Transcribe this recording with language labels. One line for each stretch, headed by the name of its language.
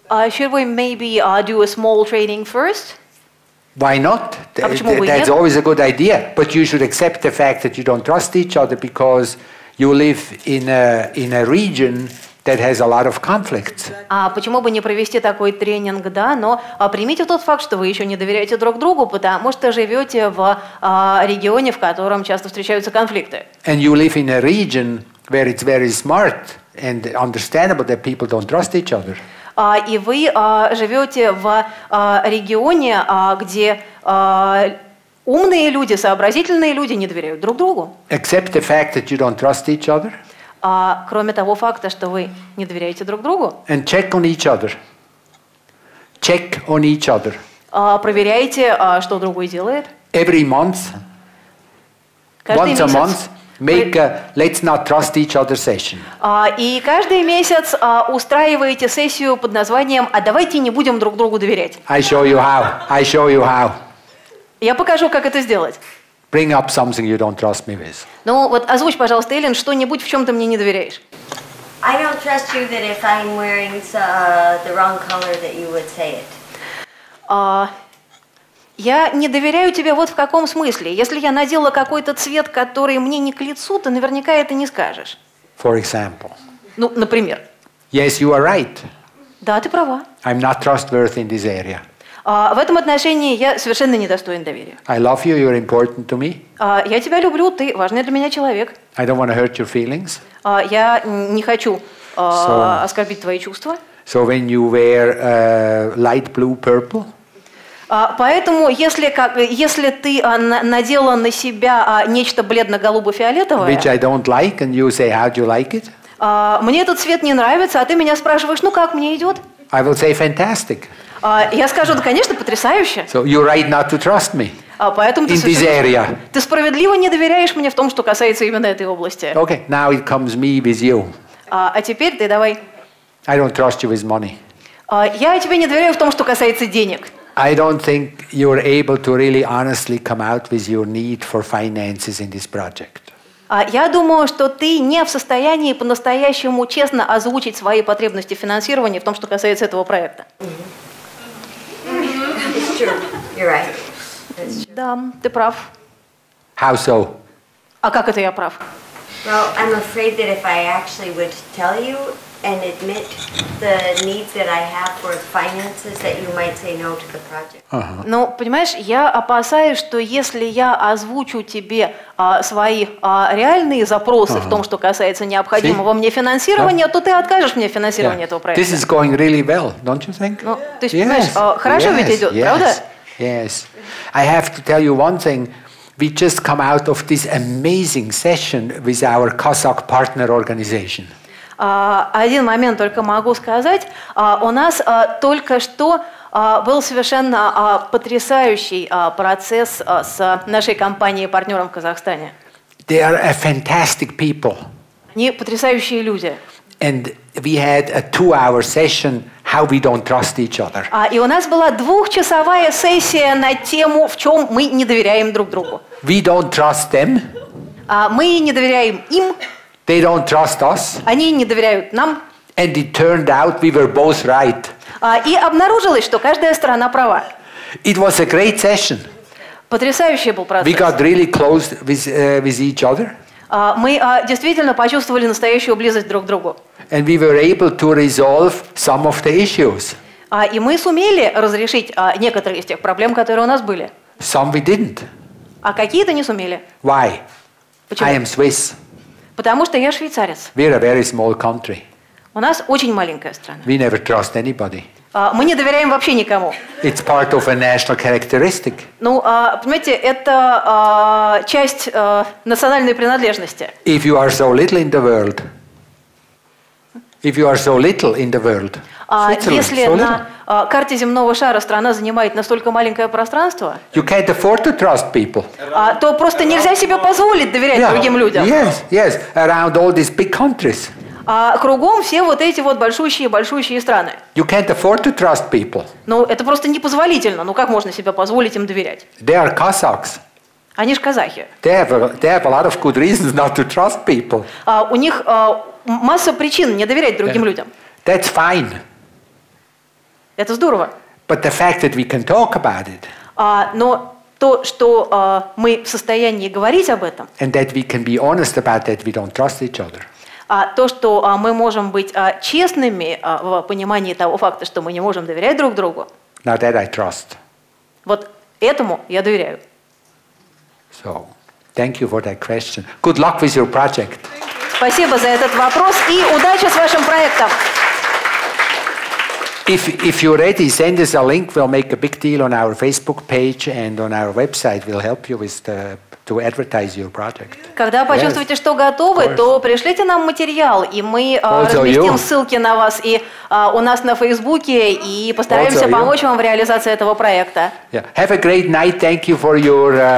English: Should we maybe do a small training first? Why not? That's always a good idea. But you should accept the fact that you don't trust each other because you live in a region that has a lot of conflicts.
Russian: Почему бы не провести такой тренинг, да? Но примите тот факт, что вы еще не доверяете друг другу, потому что живете в регионе, в котором часто встречаются конфликты.
English: And you live in a region where it's very smart and understandable that people don't trust each other.
Russian: И вы живете в регионе, где умные люди, сообразительные люди не доверяют друг другу.
English: Except the fact that you don't trust each other.
Russian: Кроме того факта, что вы не доверяете друг другу.
English: And check on each other. Check on each other.
Russian: Проверяйте, что другой делает.
English: Every month.
Russian: Каждый
English: Once
Russian: месяц.
English: A month. Make a let's not trust each other session.
Russian: И каждый месяц устраиваете сессию под названием «А давайте не будем друг другу доверять».
English: I show you how.
Russian: Я покажу, как это сделать.
English: Bring up something you don't trust me with.
Russian: Ну вот озвучь, пожалуйста, Эллен, что-нибудь, в чем ты мне не доверяешь.
English: I don't trust you that if I'm wearing the wrong color that you would say it.
Russian: Я не доверяю тебе вот в каком смысле. Если я надела какой-то цвет, который мне не к лицу, ты наверняка это не скажешь.
English: For example.
Russian: Ну, например.
English: Yes, you are right.
Russian: Да, ты права.
English: I'm not trustworthy in this area.
Russian: В этом отношении я совершенно недостоин доверия.
English: I love you, you're important to me.
Russian: Я тебя люблю, ты важный для меня человек.
English: I don't want to hurt your feelings.
Russian: Я не хочу оскорбить твои чувства.
English: So when you wear light blue purple,
Russian: Поэтому, если ты надела на себя нечто бледно-голубо-фиолетовое,
English: which I don't like, and you say, how do you like it?
Russian: Мне этот цвет не нравится, а ты меня спрашиваешь, ну как мне идет?
English: I will say, fantastic.
Russian: Я скажу, да, конечно, потрясающе.
English: So you're right not to trust me.
Russian: Поэтому
English: in this area.
Russian: Ты справедливо не доверяешь мне в том, что касается именно этой области.
English: Okay, now it comes me with you.
Russian: А теперь ты давай.
English: I don't trust you with money.
Russian: Я тебе не доверяю в том, что касается денег.
English: I don't think you're able to really honestly come out with your need for finances in this project.
Russian: Я думаю, что ты не в состоянии по-настоящему честно озвучить свои потребности финансирования в том, что касается этого проекта.
English: It's true. You're right. It's true.
Russian: Да, ты прав.
English: How so?
Russian: А как это я прав?
English: Well, I'm afraid that if I actually would tell you and admit the needs that I have for finances, that you might say no to the project.
Russian: Ну, понимаешь, я опасаюсь, что если я озвучу тебе свои реальные запросы в том, что касается необходимого мне финансирования, то ты откажешь мне финансирование этого проекта.
English: This is going really well, don't you think?
Russian: Ну, то есть, понимаешь, хорошо ведь идет, правда?
English: Yes. I have to tell you one thing. We just come out of this amazing session with our Kazakh partner organization.
Russian: Один момент только могу сказать. У нас только что был совершенно потрясающий процесс с нашей компанией-партнером в Казахстане.
English: They are a fantastic people.
Russian: Они потрясающие люди.
English: And we had a two-hour session how we don't trust each other.
Russian: И у нас была двухчасовая сессия на тему, в чем мы не доверяем друг другу.
English: We don't trust them.
Russian: Мы не доверяем им.
English: They don't trust us.
Russian: Они не доверяют нам.
English: And it turned out we were both right.
Russian: И обнаружилось, что каждая сторона права.
English: It was a great session.
Russian: Потрясающий был процесс.
English: We got really close with each other.
Russian: Мы действительно почувствовали настоящую близость друг к другу.
English: And we were able to resolve some of the issues.
Russian: И мы сумели разрешить некоторые из тех проблем, которые у нас были.
English: Some we didn't.
Russian: А какие-то не сумели.
English: Why?
Russian: Почему?
English: I am Swiss.
Russian: Потому что я швейцарец.
English: We're a very small country.
Russian: У нас очень маленькая страна.
English: We never trust anybody.
Russian: Мы не доверяем вообще никому.
English: It's part of a national characteristic.
Russian: Ну, понимаете, это часть национальной принадлежности.
English: If you are so little in the world, if you are so little in the world,
Russian: если
English: so
Russian: на карте земного шара страна занимает настолько маленькое пространство,
English: you can't afford to trust people.
Russian: То просто нельзя себе позволить доверять другим людям.
English: Yes, yes, around all these big countries.
Russian: Кругом все вот эти вот большущие страны.
English: You can't afford to trust people.
Russian: Ну, это просто непозволительно. Ну, как можно себе позволить им доверять?
English: They are Cossacks.
Russian: Они ж казахи.
English: They have a lot of good reasons not to trust people.
Russian: У них масса причин не доверять другим людям.
English: That's fine.
Russian: Это здорово.
English: But the fact that we can talk about it.
Russian: Но то, что мы в состоянии говорить об этом.
English: And that we can be honest about that we don't trust each other.
Russian: То, что мы можем быть честными в понимании того факта, что мы не можем доверять друг другу.
English: Now that I trust.
Russian: Вот этому я доверяю.
English: So, thank you for that question. Good luck with your project.
Russian: Спасибо за этот вопрос и удачи с вашим проектом.
English: If you're ready, send us a link. We'll make a big deal on our Facebook page and on our website. We'll help you with the to advertise your project.
Russian: Когда почувствуете, что готовы, то пришлите нам материал, и мы разместим ссылки на вас и у нас на Фейсбуке, и постараемся помочь вам в реализации этого проекта.
English: Yeah. Have a great night. Thank you for your